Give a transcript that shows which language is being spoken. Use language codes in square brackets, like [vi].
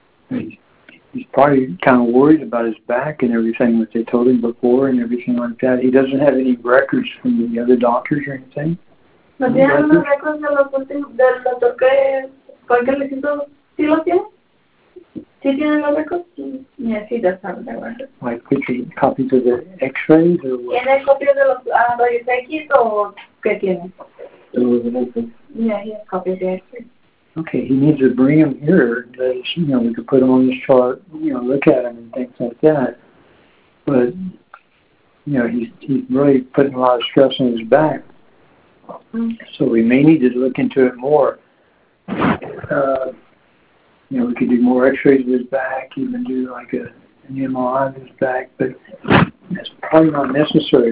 [en] He's probably kind of worried about his back and everything that they told him before and everything like that. He doesn't have any records from the other doctors or anything. Like picture copies of the x-rays or what? [es] ¿Tiene copias de los rayos X o qué tiene? [en] Yeah, he has copies of the x-rays. Okay, he needs to bring him here, but, you know, we could put him on this chart, you know, look at him and things like that. But, you know, he's really putting a lot of stress on his back. So we may need to look into it more. You know, we could do more x-rays of his back, even do like an MRI of his back, but that's probably not necessary.